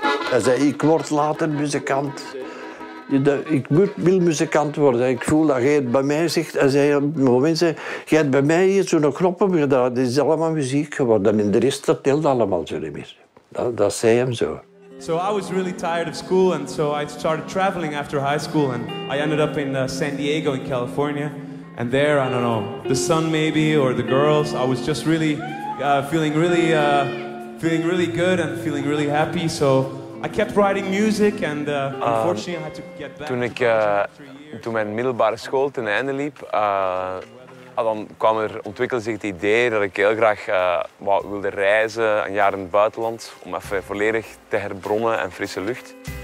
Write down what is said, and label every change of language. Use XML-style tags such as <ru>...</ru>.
<nl>Hij zei, ik word later muzikant. Ik wil muzikant worden. Ik voel dat jij het bij mij zegt. Hij zei, op het moment zei, jij hebt bij mij hier zo'n knop op gedaan. Het is allemaal muziek geworden. En de rest, dat telt allemaal zo niet meer. Dat zei hem zo.</nl> <en>So I was really tired of school, and so I started traveling after high school, and I ended up in San Diego in California. And there, I don't know, the sun maybe, or the girls, I was just really feeling really good and feeling really happy. So I kept writing music, and unfortunately I had to get back.</en> <nl>Toen mijn middelbare school ten einde liep, dan kwam er ontwikkelde zich het idee dat ik heel graag wilde reizen een jaar in het buitenland om even volledig te herbronnen en frisse lucht.</nl>